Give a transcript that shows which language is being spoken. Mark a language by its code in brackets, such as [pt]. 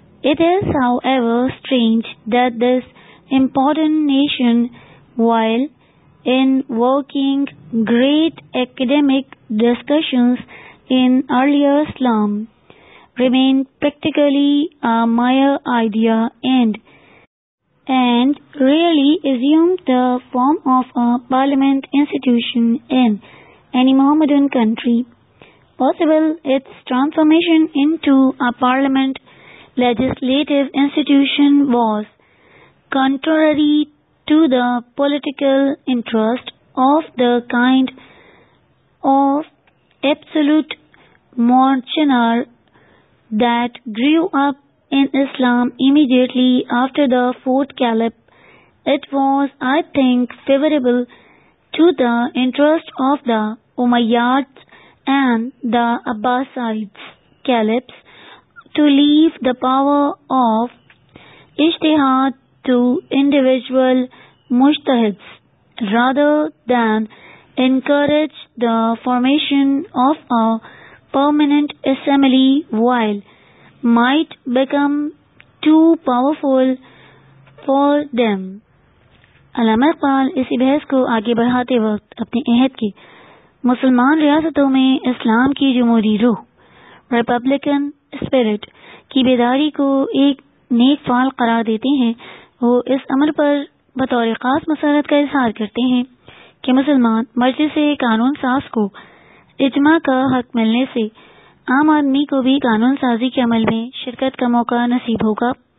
[en] It is, however, strange that this important nation, while invoking great academic discussions in earlier Islam, remained practically a mere idea and rarely assumed the form of a parliament institution in any Mohammedan country. Possible its transformation into a parliament legislative institution was contrary to the political interest of the kind of absolute monarchy that grew up in Islam immediately after the fourth caliph. It was, I think, favorable to the interest of the Umayyads and the Abbasides caliphs to leave the power of ijtihad to individual mujtahids rather than encourage the formation of a permanent assembly while might become too powerful for them. [ur] علامہ اقبال اسی بحث کو آگے بڑھاتے وقت اپنے عہد کے مسلمان ریاستوں میں اسلام کی جمہوری روح ریپبلکن اسپرٹ کی بیداری کو ایک نیک فعال قرار دیتے ہیں۔ وہ اس امر پر بطور خاص مسرت کا اظہار کرتے ہیں کہ مسلمان مجلس قانون ساز کو اجماع کا حق ملنے سے عام آدمی کو بھی قانون سازی کے عمل میں شرکت کا موقع نصیب ہوگا۔